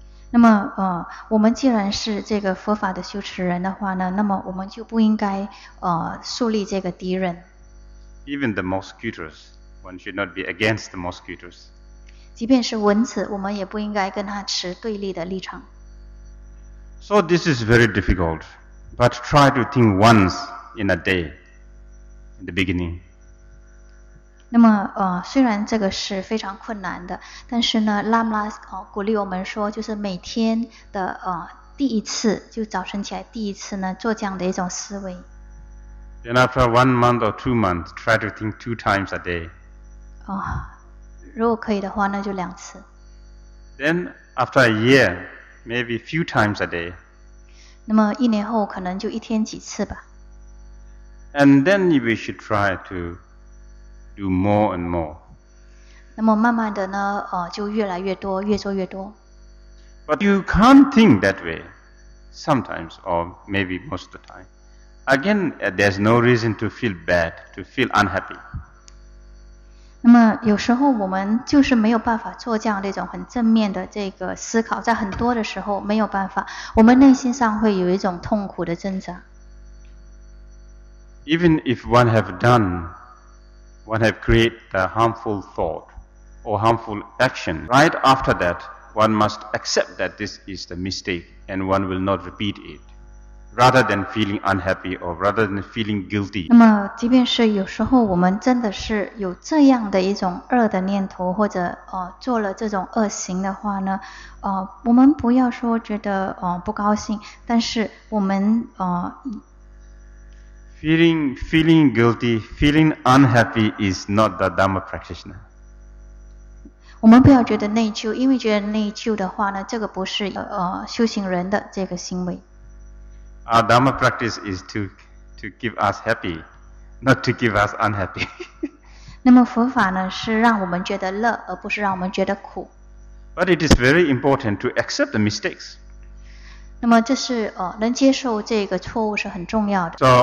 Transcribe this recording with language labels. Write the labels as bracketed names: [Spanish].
[Chinese] 那么我们既然是这个佛法的修持人的话呢，那么我们就不应该树立这个敌人。 [English] Even the mosquitoes, one should not be against the mosquitoes. [Chinese] 即便是蚊子，我们也不应该跟它持对立的立场。 [English] So this is very difficult. But try to think once in a day, in the beginning. [Chinese] 那么虽然这个是非常困难的，但是呢，拉姆拉鼓励我们说，就是每天的第一次，就早晨起来第一次呢，做这样的一种思维。 [English] Then after 1 month or 2 months, try to think 2 times a day. [Chinese] 如果可以的话，那就两次。 [English] Then after a year, maybe few times a day. [Chinese] 那么一年后可能就一天几次吧。 [English] And then we should try to do more and more. [Chinese] 那么慢慢的呢就越来越多，越做越多。 [English] But you can't think that way sometimes or maybe most of the time. Again, there's no reason to feel bad, to feel unhappy. [Chinese] 那么有时候我们就是没有办法做这样的一种很正面的这个思考，在很多的时候没有办法，我们内心上会有一种痛苦的挣扎。 [English] Even if one have created the harmful thought or harmful action, right after that, one must accept that this is the mistake and one will not repeat it. Rather than feeling unhappy or rather than feeling guilty. [Chinese] 那么即便是有时候我们真的是有这样的一种恶的念头，或者做了这种恶行的话呢，我们不要说觉得不高兴，但是我们 [English] feeling guilty, feeling unhappy is not the Dhamma practitioner. [Chinese] 我们不要觉得内疚，因为觉得内疚的话呢，这个不是修行人的这个行为。 [English] Our Dhamma practice is to give us happy, not to give us unhappy. [Chinese] 那么佛法呢，是让我们觉得乐，而不是让我们觉得苦。 [English] But it is very important to accept the mistakes. [Chinese] 那么这是能接受这个错误是很重要的。